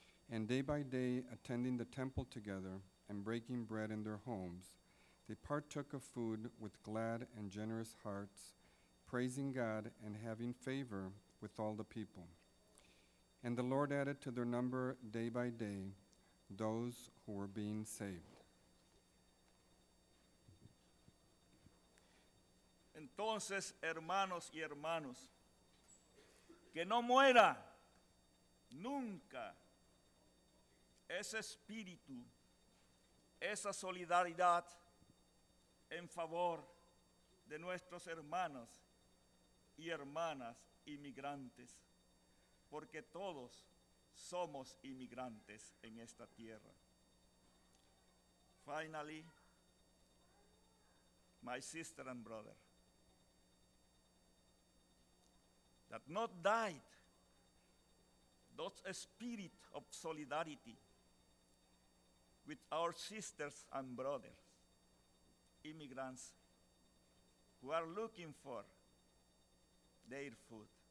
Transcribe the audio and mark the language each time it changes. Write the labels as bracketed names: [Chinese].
[English] And day by day, attending the temple together and breaking bread in their homes, they partook of food with glad and generous hearts, praising God and having favor with all the people. And the Lord added to their number day by day those who were being saved. [Spanish] Entonces, hermanos y hermanos, que no muera nunca ese espíritu, esa solidaridad en favor de nuestros hermanos y hermanas inmigrantes, porque todos somos inmigrantes en esta tierra. [English] Finally, my sister and brother, that not died, that spirit of solidarity with our sisters and brothers, immigrants who are looking for their food.